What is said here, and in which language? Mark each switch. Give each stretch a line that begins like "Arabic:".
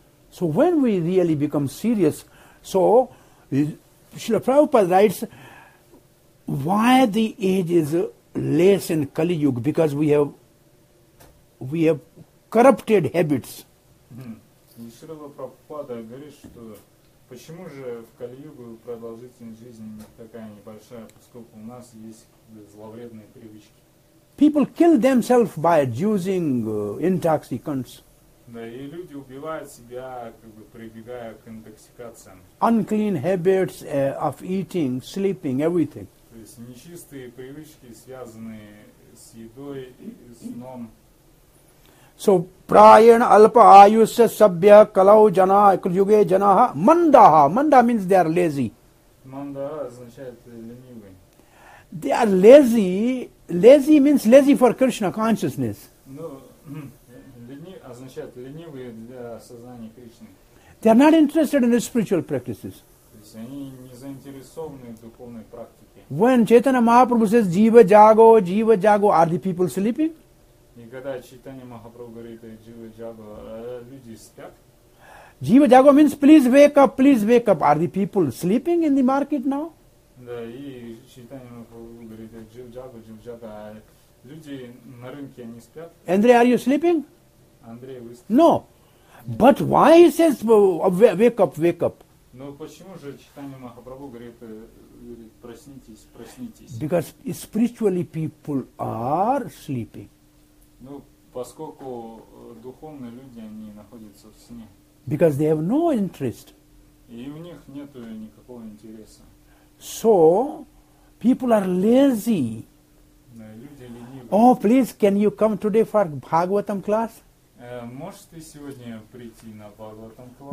English: So when we really become serious, so Srila Prabhupada writes, why the age is less in Kali Yuga? Because we have corrupted habits.
Russian: Srila Prabhupada говорит, что почему же в Кали-Югу продолжительность жизни такая небольшая, поскольку у нас есть зловредные привычки?
English: People kill themselves by using intoxicants.
Russian: Да, и люди убивают себя, как бы прибегая к интоксикациям.
English: Unclean habits of eating, sleeping, everything.
Russian: То есть нечистые привычки, связанные с едой и сном.
Sanskrit: So prayan alpa ayusya sabya kalau jana yuge janaha manda
English: means they are lazy.
Russian: Manda означает ленивый.
English: They are lazy. Lazy means lazy for Krishna consciousness. No,
Russian: ленивый означает ленивый для сознания Кришны.
English: They are not interested in the spiritual practices.
Russian: Они не заинтересованы в духовной практике.
English: When Chaitanya Mahaprabhu says jiva jago, are the people sleeping?
Russian: И когда Чайтанья Махапрабху говорит «Джива Джаго», люди спят?
English: «Джива Джаго» means please wake up, are the people sleeping in the market now?
Russian: Да, и Чайтанья Махапрабху говорит «Джива Джаго», а люди на рынке, они спят?
English: Андрей, are you sleeping?
Russian: Андрей, вы спите?
English: No. But why he says wake up?
Russian: Ну почему же Чайтанья Махапрабху говорит «Проснитесь»?
English: Because spiritually people are sleeping.
Russian: Ну, поскольку духовные люди, они находятся в сне.
English: Because they have no interest.
Russian: И у них нет никакого интереса.
English: So, people are lazy.
Russian: Да, люди ленивы.
English: Oh, please, can you come today for Bhagavatam class?
Russian: Можешь ты сегодня прийти на
English: Bhagavatam class?